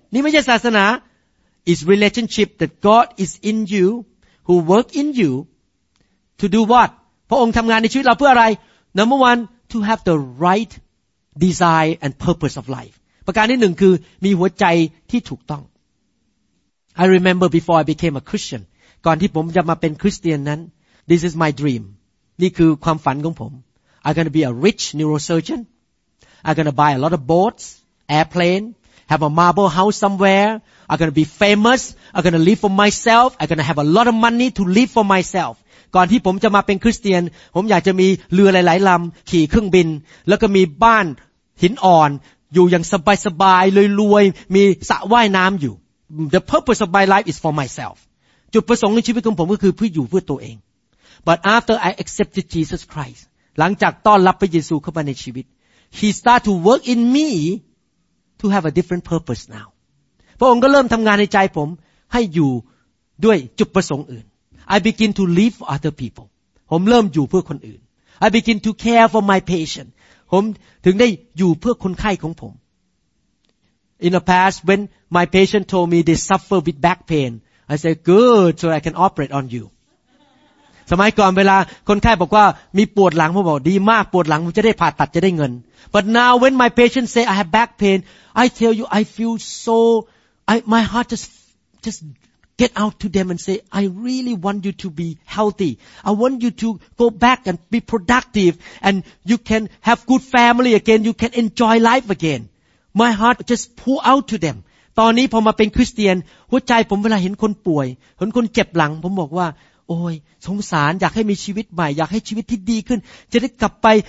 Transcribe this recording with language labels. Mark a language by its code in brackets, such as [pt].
[th] นี่ไม่ใช่ศาสนา [en] It's relationship that God is in you, who work in you, to do what? [th] พระองค์ทำงานในชีวิตเราเพื่ออะไร [en] Number one, to have the right desire and purpose of life. [th] ประการที่หนึ่งคือมีหัวใจที่ถูกต้อง [en] I remember before I became a Christian. [th] ก่อนที่ผมจะมาเป็นคริสเตียนนั้น [en] This is my dream. [th] นี่คือความฝันของผม [en] I'm going to be a rich neurosurgeon. I'm going to buy a lot of boats, airplane, have a marble house somewhere. I'm going to be famous. I'm going to live for myself. I'm going to have a lot of money to live for myself. [th] ก่อนที่ผมจะมาเป็นคริสเตียนผมอยากจะมีเรือหลายๆลำขี่เครื่องบินแล้วก็มีบ้านหินอ่อนอยู่อย่างสบายๆรวยๆมีสระว่ายน้ำอยู่ [en] The purpose of my life is for myself. [th] จุดประสงค์ในชีวิตของผมก็คือเพื่ออยู่เพื่อตัวเอง [en] But after I accepted Jesus Christ, [th] หลังจากต้อนรับพระเยซูเข้ามาในชีวิต [en] He started to work in me to have a different purpose now. [th] พระองค์ก็เริ่มทำงานในใจผมให้อยู่ด้วยจุดประสงค์อื่น [en] I begin to live for other people. [th] ผมเริ่มอยู่เพื่อคนอื่น [en] I begin to care for my patient. [th] ผมถึงได้อยู่เพื่อคนไข้ของผม [en] In the past, when my patient told me they suffer with back pain, I said, "Good, so I can operate on you." [th] สมัยก่อนเวลาคนไข้บอกว่ามีปวดหลังผมบอกดีมากปวดหลังผมจะได้ผ่าตัดจะได้เงิน [en] But now when my patient say I have back pain I tell you I feel so my heart just get out to them and say I really want you to be healthy I want you to go back and be productive and you can have good family again you can enjoy life again My heart just pour out to them [th] ตอนนี้พอมาเป็นคริสเตียนหัวใจผมเวลาเห็นคนป่วยเห็นคนเจ็บหลังผมบอกว่าโอ้ยสงสารอยากให้มีชีวิตใหม่อยากให้ชีวิตที่ดีขึ้นจะได้กลับไป